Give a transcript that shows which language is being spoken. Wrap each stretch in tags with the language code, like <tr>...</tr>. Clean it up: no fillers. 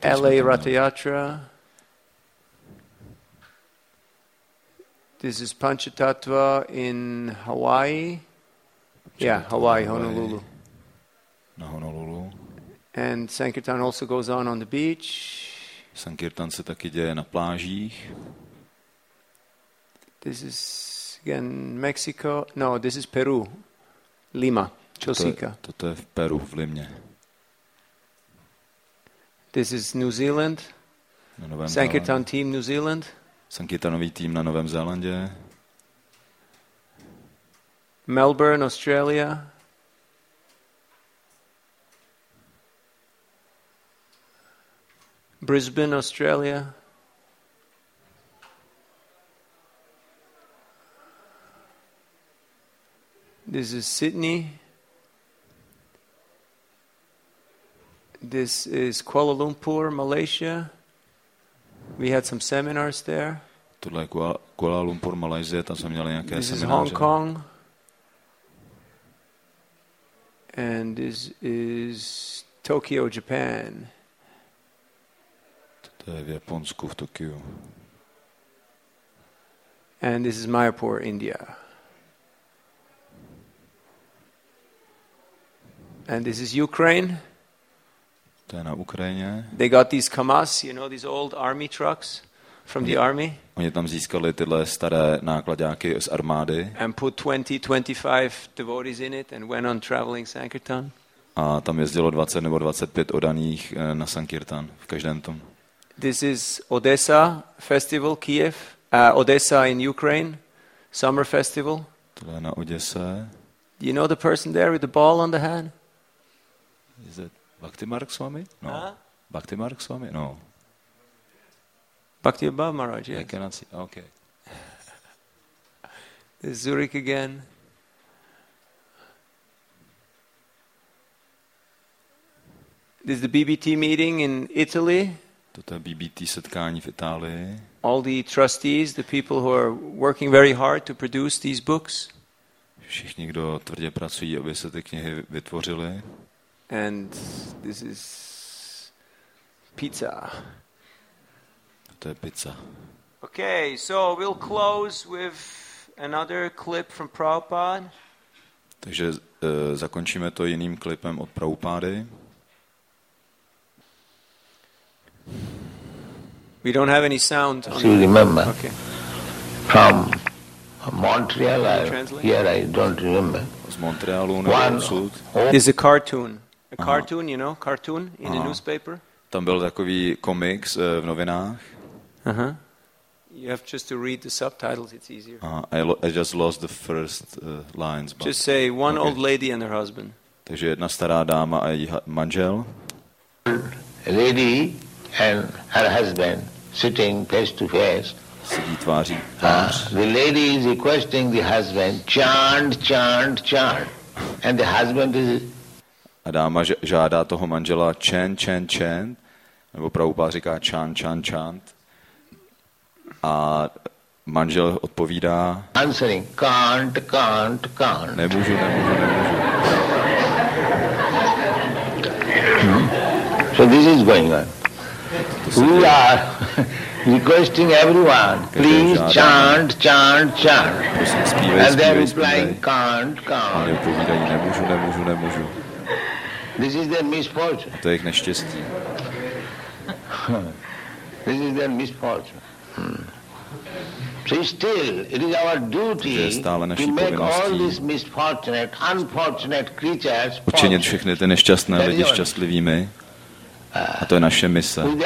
<en>LA Ratha Yatra. This is Panchatattva in Hawaii. Yeah, Hawaii, Honolulu.</en> <cs>Na Honolulu.</cs> <en>And Sankirtan also goes on the beach.</en> <cs>Sankirtan se taky děje na plážích.</cs> <en>This is again Mexico. No, this is Peru. Lima. Chosica.</en> <cs>To je v Peru, v Limě.</cs> <en>This is New Zealand.</en> <cs>Na Novém Sankirtan Zélandě.</cs> <en>Team New Zealand.</en> <cs>Sankirtanový tým na Novém Zélandě.</cs> <en>Melbourne, Australia. Brisbane, Australia. This is Sydney. This is Kuala Lumpur, Malaysia. We had some seminars there.</en> <cs>Tohle je Kuala Lumpur, Malaysia, tam jsme měli nějaké semináře.</cs> <en>This is Hong Kong. And this is Tokyo, Japan.</en> <cs>To je v Japonsku, v Tokiu.</cs> <en>And this is Mayapur, India. And this is Ukraine.</en> <cs>To je na Ukrajině.</cs> <en>They got these kamas, you know, these old army trucks from the army.</en> <cs>Oni tam získali tyhle staré nákladňáky z armády.</cs> <en>And put 20-25 devotees in it and went on traveling Sankirtan.</en> <cs>A tam jezdilo 20 nebo 25 odaných na Sankirtan v každém tom.</cs> <en>This is Odessa festival, Kiev. Odessa in Ukraine, summer festival.</en> <cs>Tohle je na Oděse.</cs> <en>Do you know the person there with the ball on the hand? Is it Bhakti Mark Swami? No. Huh? Bhakti Mark Swami? No. Bhakti Baba Maharaj, yes. I cannot see. Okay. This is Zurich again. This is the BBT meeting in Italy.</en> <cs>Toto je BBT setkání v Itálii.</cs> <en>All the trustees, the people who are working very hard to produce these books.</en> <cs>Všichni, kdo tvrdě pracují, aby se ty knihy vytvořily.</cs> <en>And this is pizza.</en> <cs>To je pizza.</cs> <en>Okay, so we'll close with another clip from Prabhupada.</en> <cs>Takže zakončíme to jiným klipem od Prabhupády.</cs> <en>We don't have any sound. Still remember. Okay. From Montreal, I don't remember.</en> <cs>Z Montrealu, nebo odsud.</cs> <en>There's a cartoon. A cartoon, you know, cartoon in the newspaper.</en> <cs>Tam byl takový komiks v novinách. Uh-huh.</cs> <en>You have just to read the subtitles, it's easier. I just lost the first lines. But... Just say one old lady and her husband.</en> <cs>Takže jedna stará dáma a její manžel.</cs> <en>Lady and her husband sitting face to face.</en> <cs>Sedí tváří.</cs> <en>The lady is requesting the husband chant, chant, chant. And the husband is...</en> <cs>A dáma žádá toho manžela</cs> <en>chant, chant, chant.</en> <cs>Nebo Prabhupada říká chant, chant, chant. A manžel odpovídá...</cs> <en>Answering, can't, can't, can't.</en> <cs>Nemůžu, nemůžu, nemůžu.</cs> <en>So this is going on. We are requesting everyone, please chant, chant, chant. And they are replying, can't, can't.</en> <cs>A oni odpovídají, nemůžu, nemůžu, nemůžu.</cs> <en>This is their misfortune.</en> <cs>A to je jejich neštěstí.</cs> <en>This is their misfortune. So still, it is our duty to make all these misfortunate, unfortunate creatures</en> <cs>učinit všechny ty nešťastné lidi šťastlivými. A to je naše mise.</cs>